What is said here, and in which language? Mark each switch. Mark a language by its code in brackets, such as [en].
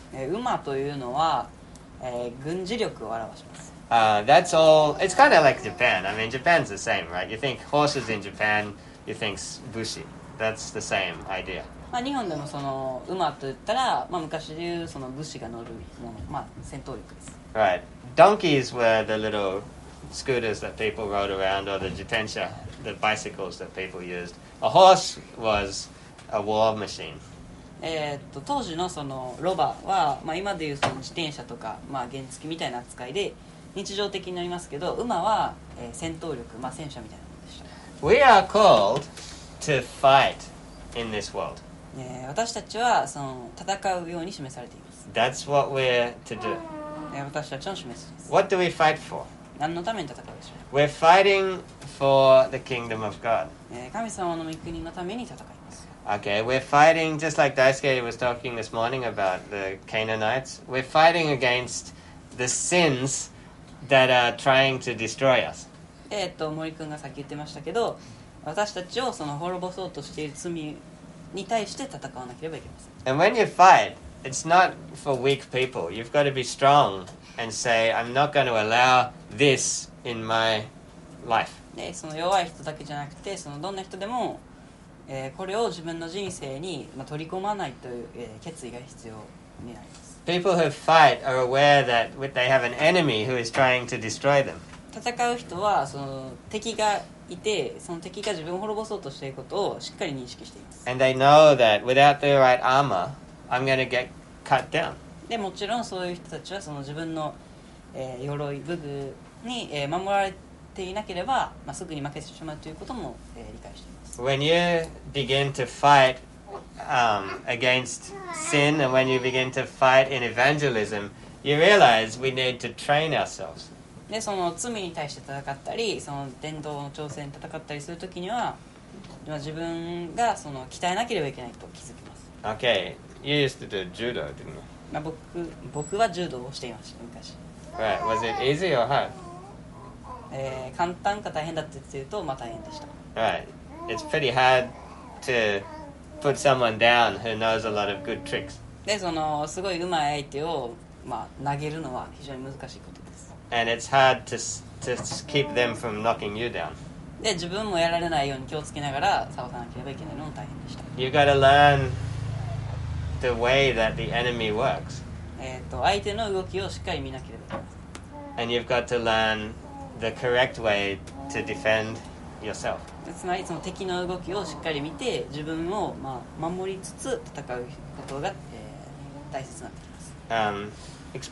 [ja] 馬というのは、軍事力を表します。 [en] That's all. It's kind of like Japan. I mean, Japan's the same, right? You think horses in Japan, you think bushi. That's the same idea. [ja] まあ、日本でもその馬と言ったら、まあ、昔でいうその武士が乗るもの、まあ、戦闘力です。 [en] Right. Donkeys were the little scooters that people rode around, or the jitensha. the bicycles that people used. A horse was a war machine. [ja] 当時のそのロバは、まあ、今でいうその自転車とか、まあ、原付みたいな扱いで日常的になりますけど、馬は、戦闘力、まあ、戦車みたいなものでした。 [en] We are called to fight in this world. [ja] 私たちはその戦うように示されています。 [en] That's what we're to do. [ja] 私たちの示す。 [en] What do we fight for? [ja] 何のために戦うでしょう。 [en] We're fighting for the kingdom of God. [ja] 神様の御国のために戦います。 [en] Okay, we're fighting, just like Daisuke was talking this morning about the Canaanites, we're fighting against the sins that are trying to destroy us. [ja] 森君がさっき言ってましたけど、私たちをその滅ぼそうとしている罪に対して戦わなければいけません。 [en] And when you fight, it's not for weak people. You've got to be strong and say, I'm not going to allow this in my life. [ja] その弱い人だけじゃなくて、そのどんな人でも、これを自分の人生に、まあ、取り込まないという、決意が必要になります。 [en] People who fight are aware that they have an enemy who is trying to destroy them. [ja] 戦う人はその敵がいて、その敵が自分を滅ぼそうとしていることをしっかり認識しています。 [en] And they know that without the right armor, I'm going to get cut down. [ja] でもちろんそういう人たちはその自分の、鎧武具に、守られていなければ、まあ、すぐに負けてしまうということも、理解しています。 [en] When you begin to fight against sin and when you begin to fight in evangelism, you realize we need to train ourselves. [ja] で、その罪に対して戦ったり、その伝道の挑戦に戦ったりするときには、自分がその鍛えなければいけないと気づきます。 [en] Okay, you used to do judo, didn't you? [ja] まあ、僕は柔道をしていました、昔。 [en] Right, was it easy or hard? [ja] 簡単か大変だって言うと、まあ大変でした。 [en] Right. It's pretty hard to put someone down who knows a lot of good tricks. [ja] で、そのすごい上手い相手を、まあ、投げるのは非常に難しいことです。 [en] And it's hard to keep them from knocking you down. [ja] で、自分もやられないように気をつけながら倒さなければいけないのも大変でした。 [en] You gotta learn the way that the enemy works. [ja] 相手の動きをしっかり見なければいけない。 [en] And you've got to learn the correct way to defend yourself. [ja] つまりその敵の動きをしっかり見て自分をまあ守りつつ戦うことが、大切になってきます。